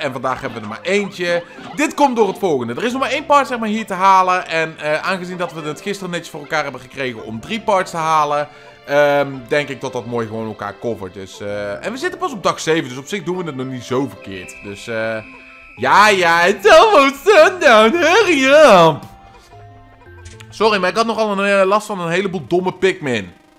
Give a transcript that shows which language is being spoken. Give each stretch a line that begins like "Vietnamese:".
Dutch: En vandaag hebben we er maar eentje. Dit komt door het volgende. Er is nog maar 1 part, zeg maar, hier te halen. En aangezien dat we het gisteren netjes voor elkaar hebben gekregen om 3 parts te halen, denk ik dat dat mooi gewoon elkaar covert. Dus, en we zitten pas op dag 7, dus op zich doen we het nog niet zo verkeerd. Dus, Ja,
English: it's almost sundown, hurry up!
Dutch: Sorry, maar ik had nogal last van een heleboel domme Pikmin.